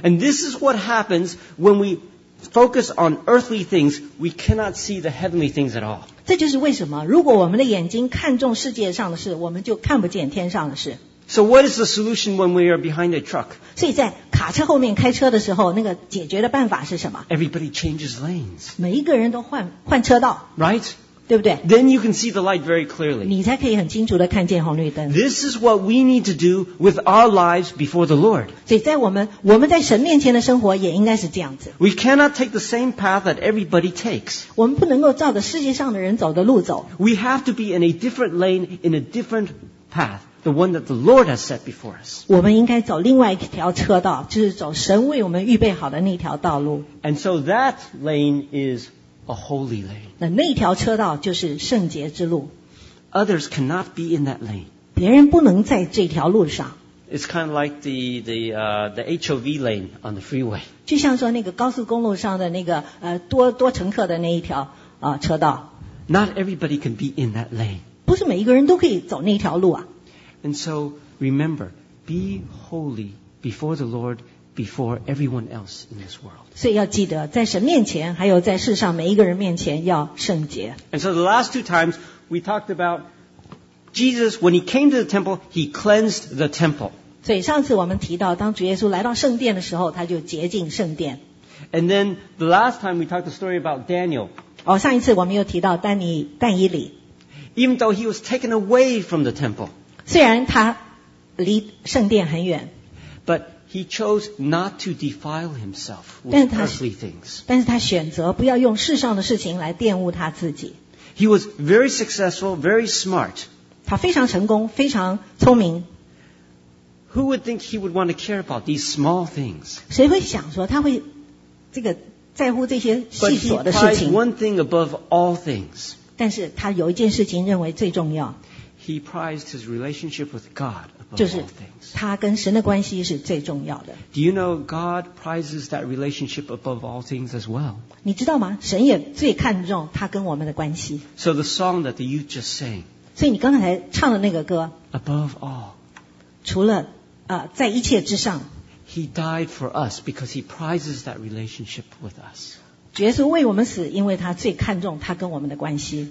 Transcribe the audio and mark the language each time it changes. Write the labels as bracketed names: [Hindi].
[English] And this is what happens when we focus on earthly things we cannot see the heavenly things at all [Chinese] 这就是为什么如果我们的眼睛看重世界上的事我们就看不见天上的事 [English] So what is the solution when we are behind a truck? [Chinese] 所以在卡车后面开车的时候那个解决的办法是什么 [English] Everybody changes lanes [Chinese] 每一个人都换车道 [English] Right? [Chinese] 对不对 [English] Then you can see the light very clearly [Chinese] 你才可以很清楚地看见红绿灯 [English] This is what we need to do with our lives before the Lord [Chinese] 所以在我们在神面前的生活也应该是这样子 [English] We cannot take the same path that everybody takes [Chinese] 我们不能够照着世界上的人走的路走 [English] We have to be in a different lane in a different path the one that the Lord has set before us [Chinese] 我们应该走另外一条车道就是走神为我们预备好的那条道路 [English] And so that lane is A holy lane. [Chinese] 那条车道就是圣洁之路。 [English] Others cannot be in that lane. [Chinese] 别人不能在这条路上。 [English] It's kind of like the HOV lane on the freeway. [Chinese] 就像说那个高速公路上的那个多乘客的那一条车道。 [English] Not everybody can be in that lane. [Chinese] 不是每一个人都可以走那条路啊。 [English] And so remember, be holy before the Lord before everyone else in this world. [Chinese] 所以要记得，在神面前，还有在世上每一个人面前要圣洁。 [English] And so the last two times we talked about Jesus when he came to the temple, he cleansed the temple. [Chinese] 所以上次我们提到，当主耶稣来到圣殿的时候，他就洁净圣殿。 [English] And then the last time we talked the story about Daniel. [Chinese] 哦，上一次我们又提到但以理。 [English] Even though he was taken away from the temple. [Chinese] 虽然他离圣殿很远。 [English] But he chose not to defile himself with earthly things. [Chinese] 但是他选择不要用世上的事情来玷污他自己。 [English] He was very successful, very smart. [Chinese] 他非常成功，非常聪明。 [English] Who would think he would want to care about these small things? [Chinese] 谁会想说他会这个在乎这些细琐的事情？ [English] But he prized one thing above all things. [Chinese] 但是他有一件事情认为最重要。 [English] He prized his relationship with God. [Chinese] 就是他跟神的关系是最重要的。 [English] Do you know God prizes that relationship above all things as well? [Chinese] 你知道吗？神也最看重他跟我们的关系。 [English] So the song that the youth just sang. [Chinese] 所以你刚才唱的那个歌。 [English] Above all. [Chinese] 除了在一切之上。 [English] He died for us because he prizes that relationship with us. [Chinese] 主耶稣为我们死，因为他最看重他跟我们的关系。